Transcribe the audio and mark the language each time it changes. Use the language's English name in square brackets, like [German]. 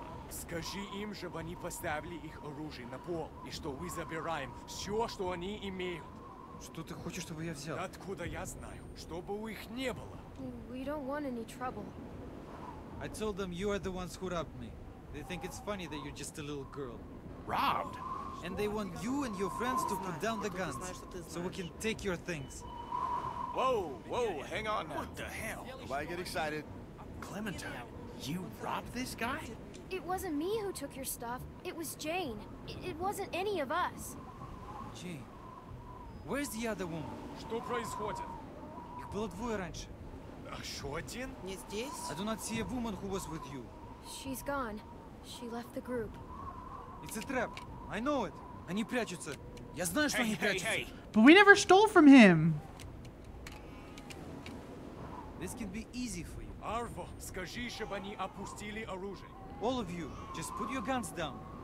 [Russian] Скажи им, чтобы они поставили их оружие на пол, и что мы забираем все, что они имеют. Что ты хочешь, чтобы я взял? Откуда я знаю? Чтобы у их не было. [English] We don't want any trouble. I told them you are the ones who robbed me. They think it's funny that you're just a little girl. Robbed? And they want you and your friends to put down the guns, so we can take your things. Whoa, hang on now. What the hell? Why get excited? Clementine, you robbed this guy? It wasn't me who took your stuff, it was Jane. It wasn't any of us. Jane, where's the other woman? [Russian] Что происходит? Их было двое раньше. Еще один? Не здесь. [English] I do not see a woman who was with you. She's gone. She left the group. It's a trap. I know it. [Russian] Они прячутся. Я знаю, что они прячутся. [English] But we never stole from him. This can be easy for you. [Russian] Арво, скажи, чтобы они опустили оружие. [English] All of you, just put your guns down.